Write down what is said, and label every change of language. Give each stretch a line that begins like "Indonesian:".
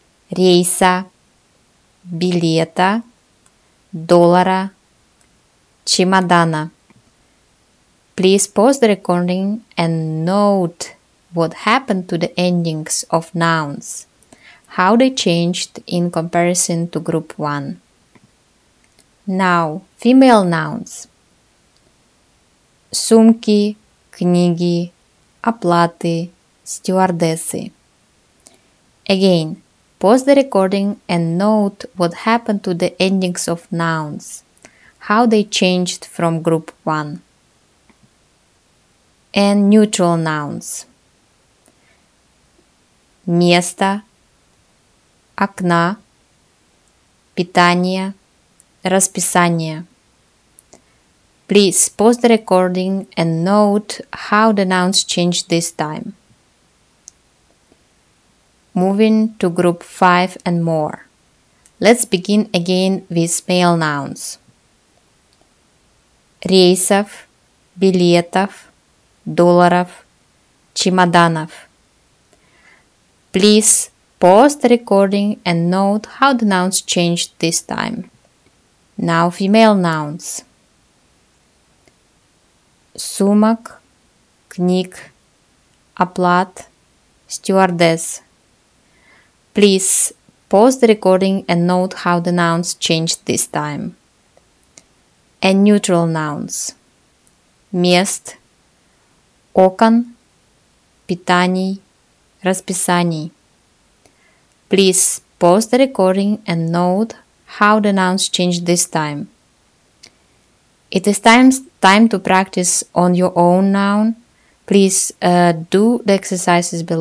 Russian: Рейса, билета, доллара, чемодана.
English: Please pause the recording and note what happened to the endings of nouns, how they changed in comparison to group 1. Now, female nouns.
Russian: Сумки, книги, оплаты, стюардессы.
English: Again, pause the recording and note what happened to the endings of nouns, how they changed from group 1. And neutral nouns.
Russian: Место, окна, питание, расписание.
English: Please pause the recording and note how the nouns changed this time. Moving to group 5 and more. Let's begin again with male nouns.
Russian: Рейсов, билетов, долларов, чемоданов.
English: Please pause the recording and note how the nouns changed this time. Now female nouns.
Russian: Сумок, книг, оплат, стюардесс.
English: Please pause the recording and note how the nouns changed this time. And neutral nouns.
Russian: Мест, окон, питаний, расписаний.
English: Please pause the recording and note how the nouns changed this time. It is time to practice on your own noun. Please do the exercises below.